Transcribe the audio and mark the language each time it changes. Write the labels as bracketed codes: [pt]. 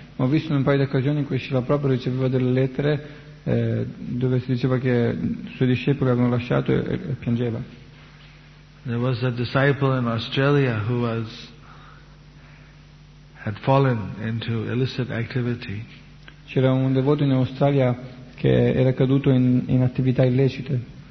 [it] Ma ho visto in un paio di occasioni in cui Srila Prabhupada riceveva delle lettere dove si diceva che suoi discepoli avevano lasciato e piangeva. [en] There was a disciple in Australia who was. Had fallen into illicit activity. [it] C'era un devoto in Australia che era caduto in attività illecite.